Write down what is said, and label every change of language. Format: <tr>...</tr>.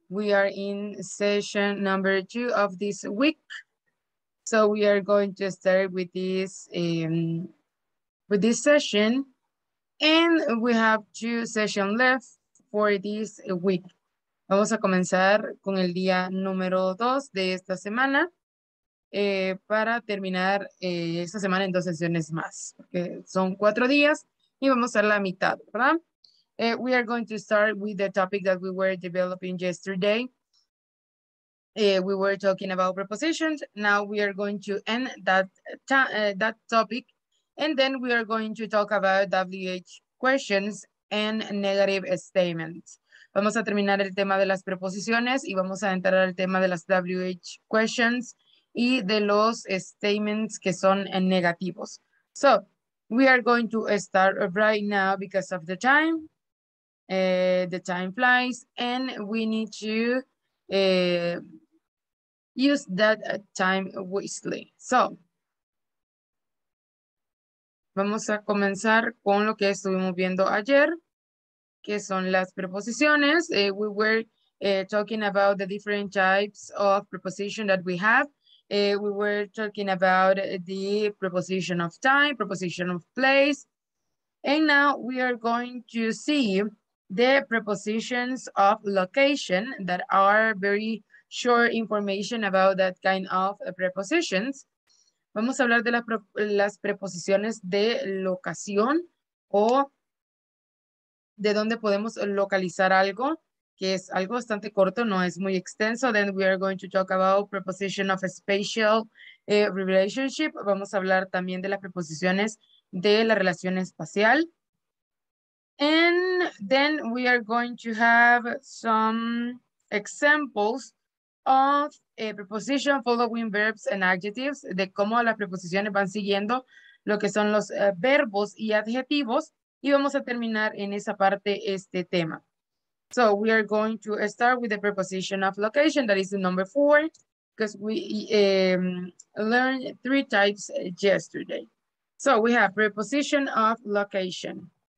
<en>We are in session number 2 of this week. So we are going to start with this session. And we have 2 sessions left for this week.</en> <es>Vamos a comenzar con el día número 2 de esta semana para terminar esta semana en 2 sesiones más. Porque son 4 días y vamos a la mitad, ¿verdad?</es> <en>We are going to start with the topic that we were developing yesterday. We were talking about prepositions. Now we are going to end that topic. And then we are going to talk about WH questions and negative statements.</en> <es>Vamos a terminar el tema de las preposiciones y vamos a entrar al tema de las WH questions y de los statements que son negativos.</es> <en>So we are going to start right now because of the time. The time flies, and we need to use that time wisely.</en> <es>So, vamos a comenzar con lo que estuvimos viendo ayer, que son las preposiciones.</es> <en>We were talking about the different types of preposition that we have. We were talking about the preposition of time, preposition of place. And now we are going to see the prepositions of location that are very short information about that kind of prepositions.</en> <es>Vamos a hablar de las preposiciones de locación o de dónde podemos localizar algo, que es algo bastante corto, no es muy extenso.</es> <en>Then we are going to talk about preposition of a spatial relationship.</en> <es>Vamos a hablar también de las preposiciones de la relación espacial.</es> <en>And then we are going to have some examples of a preposition following verbs and adjectives,</en> <es>de cómo las preposiciones van siguiendo lo que son los verbos y adjetivos. Y vamos a terminar en esa parte este tema.</es> <en>So we are going to start with the preposition of location, that is the number 4, because we learned 3 types yesterday. So we have preposition of location.</en>